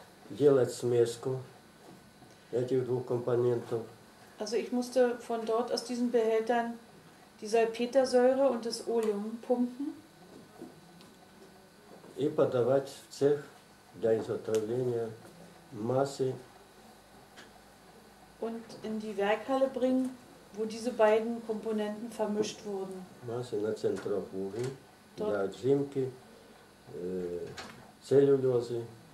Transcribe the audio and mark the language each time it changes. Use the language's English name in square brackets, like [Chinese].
[Russian] Делать смеску этих двух компонентов. [German] Also ich musste von dort aus diesen Behältern die Salpetersäure und das Олеум pumpen. [Russian] И подавать в цех для изготовления массы. [German] Und in die Werkhalle bringen, wo diese beiden Komponenten vermischt wurden. [Russian] Массы на центрофуге для отжимки целлюлозы.